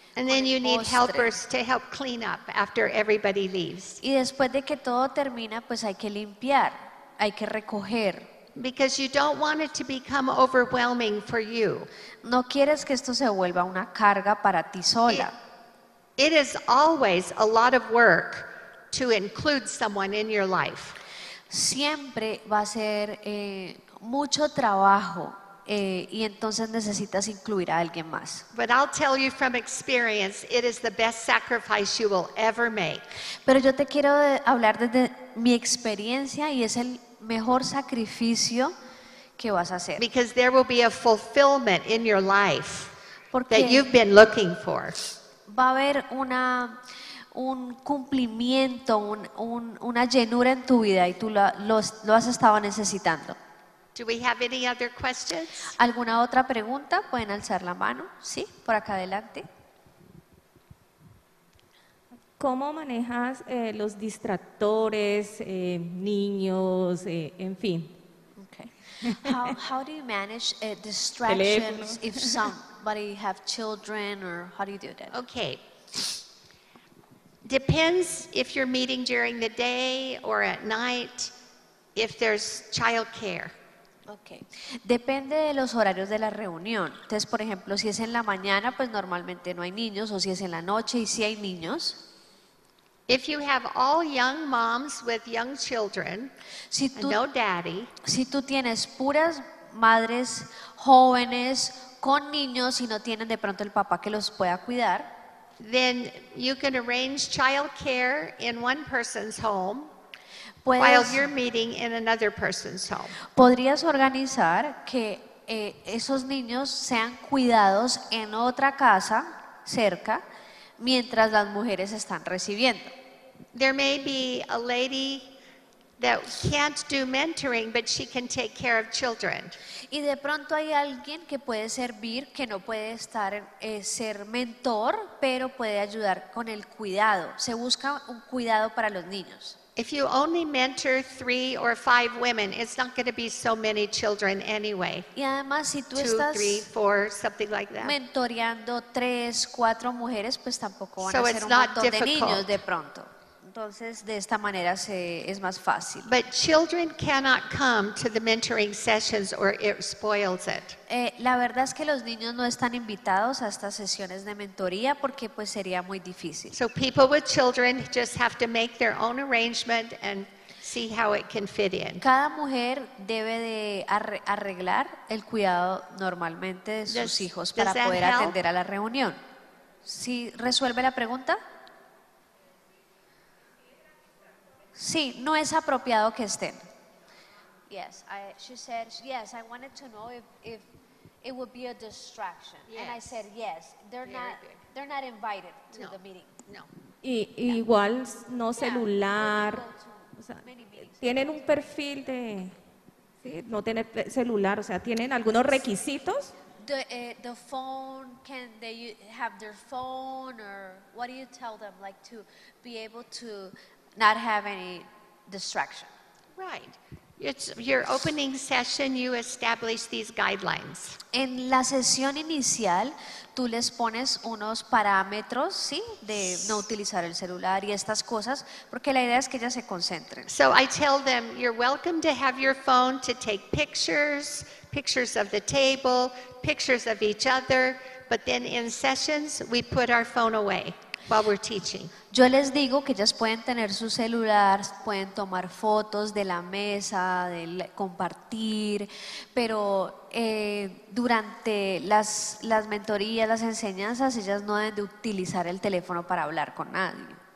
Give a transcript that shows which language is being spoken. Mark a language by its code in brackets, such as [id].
[en] And then you need helpers to help clean up after everybody leaves. [es] Y después de que todo termina, pues hay que limpiar, hay que recoger. [en] Because you don't want it to become overwhelming for you. [es] No quieres que esto se vuelva una carga para ti sola. [en] It is always a lot of work to include someone in your life. [es] Siempre va a ser mucho trabajo. Y entonces necesitas incluir a alguien más. [en] But I'll tell you from experience, it is the best sacrifice you will ever make. [es] Pero yo te quiero hablar desde mi experiencia y es el mejor sacrificio que vas a hacer. [en] Because there will be a fulfillment in your life that you've been looking for. [es] Va a haber un cumplimiento, una llenura en tu vida y tú lo has estado necesitando. [en] Do we have any other questions? [es] ¿Alguna otra pregunta? Pueden alzar la mano. Sí, por acá adelante. ¿Cómo manejas los distractores, niños, en fin? [en] Okay. How do you manage distractions if somebody have children or how do you do that? Okay. Depends if you're meeting during the day or at night, if there's childcare. [es] Okay. Depende de los horarios de la reunión. Entonces, por ejemplo, si es en la mañana, pues normalmente no hay niños, o si es en la noche y si hay niños. [en] If you have all young moms with young children, [es] si tú, [en] and no daddy, [es] si tú tienes puras madres jóvenes con niños y no tienen de pronto el papá que los pueda cuidar, [en] then you can arrange childcare in one person's home. While you're meeting in another person's home. [es] ¿Podrías organizar que esos niños sean cuidados en otra casa cerca mientras las mujeres están recibiendo? [en] There may be a lady that can't do mentoring, but she can take care of children. [es] Y de pronto hay alguien que puede servir, que no puede estar ser mentor, pero puede ayudar con el cuidado. Se busca un cuidado para los niños. [en] If you only mentor 3 or 5 women, it's not going to be so many children anyway. [es] Y además, si tú [en] 2, 3, 4, something like that. [es] Mentoreando 3, 4 mujeres, pues tampoco van a ser un montón de niños de pronto. Entonces, de esta manera es más fácil. [en] But children cannot come to the mentoring sessions or it spoils it. [es] La verdad es que los niños no están invitados a estas sesiones de mentoría porque pues sería muy difícil. [en] So people with children just have to make their own arrangement and see how it can fit in. [es] Cada mujer debe de arreglar el cuidado normalmente de sus hijos para poder atender a la reunión. ¿Sí resuelve la pregunta? Sí, no es apropiado que estén. [en] Yes, she said yes. I wanted to know if it would be a distraction, yes. And I said yes. They're not invited to no. the meeting. No. [es] Igual no celular. O sea, tienen un perfil de ¿sí? no tener celular. O sea, tienen algunos requisitos. [en] The phone, can they have their phone or what do you tell them like to be able to not have any distraction. Right. It's your opening session, you establish these guidelines. [es] En la sesión inicial, tú les pones unos parámetros, ¿sí? De no utilizar el celular y estas cosas, porque la idea es que ellas se concentren. [en] So I tell them, you're welcome to have your phone to take pictures, pictures of the table, pictures of each other, but then in sessions, we put our phone away. While we're teaching. [es] Yo les digo que ellas pueden tener su celular, pueden tomar fotos de la mesa, de compartir, pero durante las mentorías, las enseñanzas, ellas no deben de utilizar el teléfono para hablar con nadie.